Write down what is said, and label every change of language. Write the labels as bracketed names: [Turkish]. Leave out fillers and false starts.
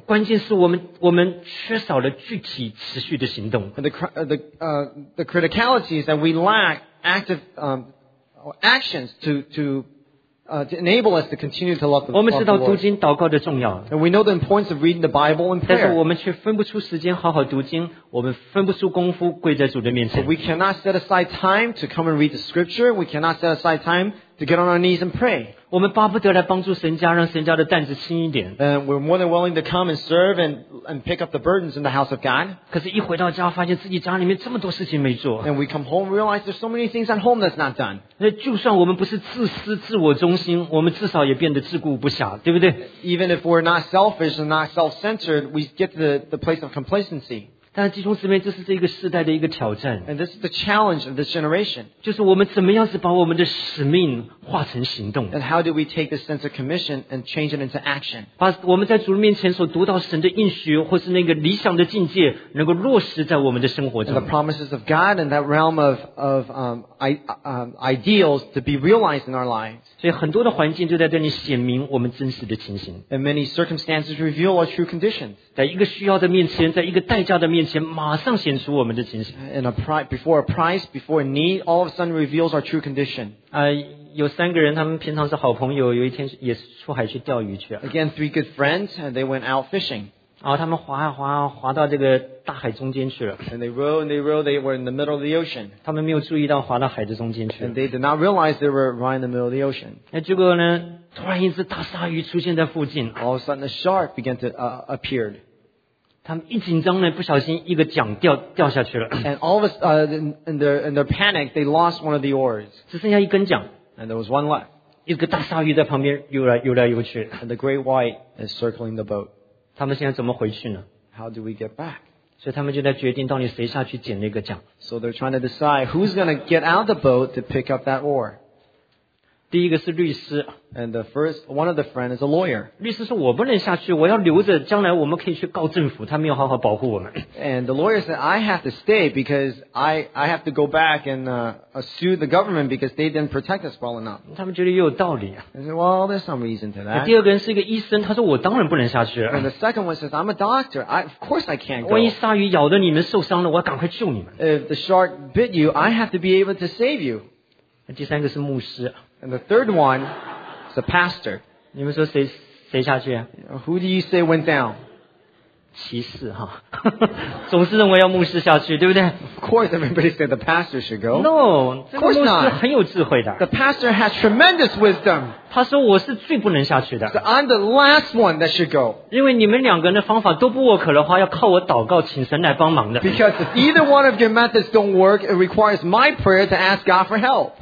[Chinese] 关键是我们缺少了具体持续的行动。 [English] The criticality is that we lack active actions to enable us to continue to love the Lord. [Chinese] 我们知道读经祷告的重要。 [English] And we know the importance of reading the Bible and prayer. [Chinese] 但是我们却分不出时间好好读经，我们分不出功夫跪在主的面前。 [English] We cannot set aside time to come and read the scripture. We cannot set aside time to get on our knees and pray. [Chinese] 我们巴不得来帮助神家，让神家的担子轻一点。 [English] And we're more than willing to come and serve and pick up the burdens in the house of God. [Chinese] 可是一回到家，发现自己家里面这么多事情没做。 [English] And we come home and realize there's so many things at home that's not done. [Chinese] 那就算我们不是自私自我中心，我们至少也变得自顾不暇，对不对？ [English] Even if we're not selfish and not self-centered, we get to the place of complacency. [Chinese] 但是弟兄姊妹，这是这个世代的一个挑战。 [English] And this is the challenge of this generation. [Chinese] 就是我们怎么样子把我们的使命化成行动。 [English] And how do we take this sense of commission and change it into action? [Chinese] 把我们在主面前所读到神的应许，或是那个理想的境界，能够落实在我们的生活中。 [English] And the promises of God and that realm of ideals to be realized in our lives. [Chinese] 所以很多的环境就在这里显明我们真实的情形。 [English] And many circumstances reveal our true conditions. [Chinese] 在一个需要的面前，在一个代价的面前马上显出我们的情形 [English] and before a price before a need all of a sudden reveals our true condition [Chinese] 有三个人他们平常是好朋友有一天也出海去钓鱼去 [English] again three good friends and they went out fishing [Chinese] 然后他们划啊划啊划到这个大海中间去了 [English] and they rowed and they rowed they were in the middle of the ocean [Chinese] 他们没有注意到划到海的中间去 [English] and they did not realize they were right in the middle of the ocean [Chinese] 那结果呢突然一只大鲨鱼出现在附近 [English] all of a sudden a shark began to appeared [Chinese] 他们一紧张呢，不小心一个桨掉下去了。 [English] And all of us, in their panic, they lost one of the oars. [Chinese] 只剩下一根桨。 [English] And there was one left. [Chinese] 一个大鲨鱼在旁边游来游去。 [English] And the great white is circling the boat. [Chinese] 他们现在怎么回去呢 [English] ？How do we get back? [Chinese] 所以他们就在决定到底谁下去捡那个桨。 [English] So they're trying to decide who's going to get out the boat to pick up that oar. [Chinese] 第一个是律师。 [English] And the first one of the friends is a lawyer. [Chinese] 律师说我不能下去，我要留着，将来我们可以去告政府，他没有好好保护我们。 [English] And the lawyer said, I have to stay because I have to go back and sue the government because they didn't protect us well enough. [Chinese] 他们觉得也有道理。 [English] They said, well, there's some reason to that. [Chinese] 第二个人是一个医生，他说我当然不能下去。 [English] And the second one says, I'm a doctor. Of course I can't go. [Chinese] 万一鲨鱼咬得你们受伤了，我要赶快救你们。 [English] If the shark bit you, I have to be able to save you. [Chinese] 第三个是牧师。 [English] And the third one. The pastor. [Chinese] 你们说谁下去、啊、 [English] Who do you say went down? [Chinese] 歧视哈，总是认为要牧师下去，对不对 [English] ？Of course, everybody said the pastor should go. No, of course not. [Chinese] 牧师很有智慧的。 [English] The pastor has tremendous wisdom. [Chinese] 他说我是最不能下去的。 [English] So I'm the last one that should go. [Chinese] 因为你们两个人的方法都不 work 的话，要靠我祷告，请神来帮忙的。 [English] Because if either one of your methods don't work, it requires my prayer to ask God for help.